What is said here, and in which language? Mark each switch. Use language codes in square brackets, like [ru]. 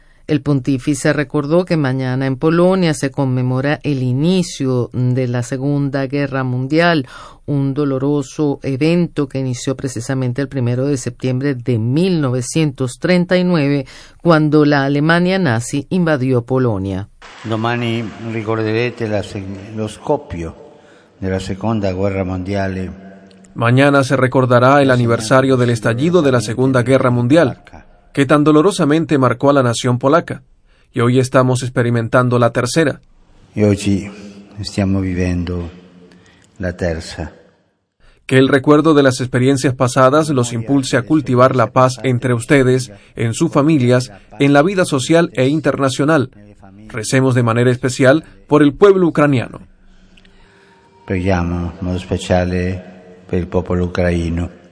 [es] El pontífice recordó que mañana en Polonia se conmemora el inicio de la Segunda Guerra Mundial, un doloroso evento que inició precisamente el 1 de septiembre de 1939, cuando la Alemania nazi invadió Polonia. [it] Domani ricorderete lo scoppio della Seconda Guerra Mondiale. [es] Mañana se recordará el aniversario del estallido de la Segunda Guerra Mundial, que tan dolorosamente marcó a la nación polaca. Y hoy estamos experimentando la tercera. Y hoy estamos viviendo la tercera. Que el recuerdo de las experiencias pasadas los impulse a cultivar la paz entre ustedes, en sus familias, en la vida social e internacional. Recemos de manera especial por el pueblo ucraniano. [it] Preghiamo in modo speciale per il popolo ucraino.